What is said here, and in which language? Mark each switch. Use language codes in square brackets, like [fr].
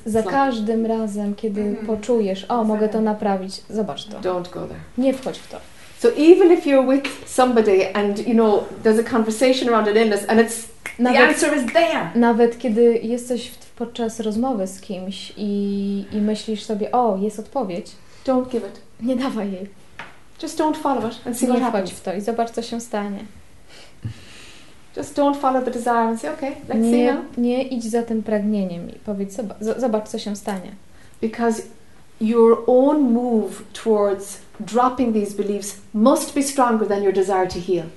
[pl] Za każdym razem, kiedy poczujesz, o, mogę to naprawić, zobacz to. [en] Don't go there. [pl] Nie wchodź w to. [en] So even if you're with somebody and you know there's a conversation around an illness and it's [pl] nawet, [en] the answer is there. [pl] Nawet kiedy jesteś podczas rozmowy z kimś i myślisz sobie, o, jest odpowiedź. [en] Don't give it. [pl] Nie dawaj jej. [en] Just don't follow it and see [pl] nie [en] what happens. [pl] Nie wchodź w to i zobacz, co się stanie. [en] Just don't follow the desire and say, okay, let's see now. [pl] Nie idź za tym pragnieniem i powiedz, zobacz, co się stanie. [en] Because your own move towards dropping these beliefs must be stronger than your desire to heal.